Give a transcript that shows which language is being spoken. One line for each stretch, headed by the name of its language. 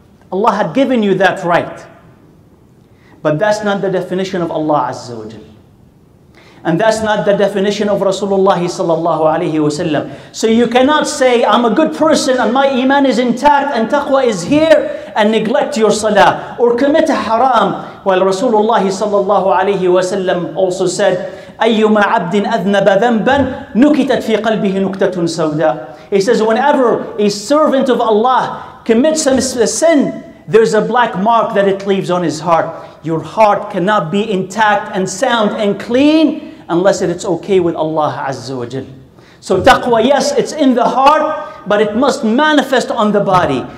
English: Allah had given you that right. But that's not the definition of Allah Azza wa Jal. And that's not the definition of Rasulullah sallallahu alayhi wa sallam. So you cannot say, I'm a good person and my iman is intact and taqwa is here and neglect your salah or commit a haram. While Rasulullah sallallahu alayhi wa sallam also said,
Arabic: أَيُّمَا عَبْدٍ أَذْنَبَ ذَنْبًا نُكِتَتْ فِي قَلْبِهِ نُكْتَةٌ سَوْدًا.
English: He says, whenever a servant of Allah commits a sin, there's a black mark that it leaves on his heart. Your heart cannot be intact and sound and clean unless it's okay with Allah Azza wa Jal. So taqwa, yes, it's in the heart, but it must manifest on the body.